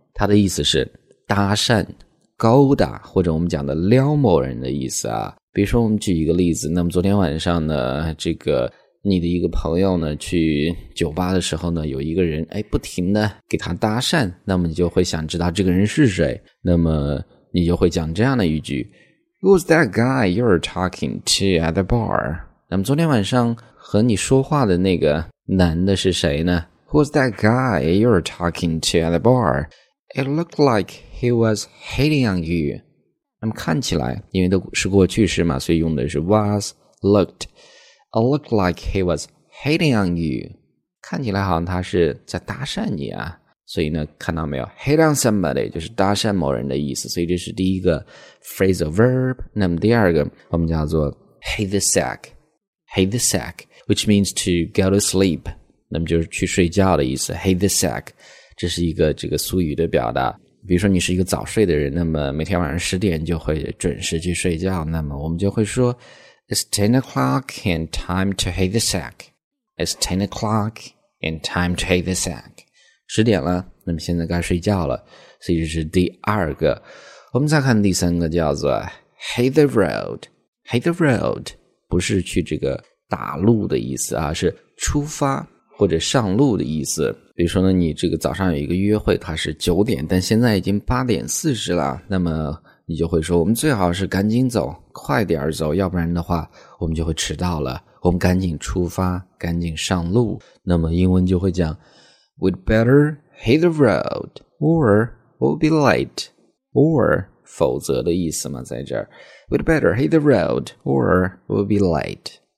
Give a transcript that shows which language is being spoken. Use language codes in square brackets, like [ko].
[zh] 他的意思是搭讪、勾搭，或者我们讲的撩某人的意思啊。比如说，我们举一个例子，那么昨天晚上呢，这个你的一个朋友呢去酒吧的时候呢，有一个人不停的给他搭讪，那么你就会想知道这个人是谁，那么你就会讲这样的一句。 [en] Who's that guy you're talking to at the bar? [zh] 那么昨天晚上和你说话的那个男的是谁呢？ [en] Who's that guy you're talking to at the bar? It looked like he was hitting on you. [zh] 那么看起来，因为都是过去式嘛，所以用的是 was, looked. [en] It looked like he was hitting on you. [zh] 看起来好像他是在搭讪你啊。所以呢，看到没有 ？ [en] Hit on somebody [zh] 就是搭讪某人的意思。所以这是第一个 phrasal verb。那么第二个，我们叫做 [en] hit the sack， hit the sack， which means to go to sleep。 [zh] 那么就是去睡觉的意思。 [en] Hit the sack， [zh] 这是一个这个俗语的表达。比如说你是一个早睡的人，那么每天晚上10点就会准时去睡觉。那么我们就会说 ， [en] It's 10 o'clock and time to hit the sack。 [zh] It's 10 o'clock and time to hit the sack。 10点了，那么现在该睡觉了，所以这是第二个。我们再看第三个，叫做 [en] hit the road。 [zh] hit the road 不是去这个打路的意思啊，是出发或者上路的意思。比如说呢，你这个早上有一个约会，它是9点，但现在已经8:40了，那么你就会说，我们最好是赶紧走，快点走，要不然的话，我们就会迟到了。我们赶紧出发，赶紧上路。那么英文就会讲。 [en] We'd better hit the road, or we'll be late. Or [zh] 否则的意思嘛，在这儿。 [en] We'd better hit the road, or we'll be late.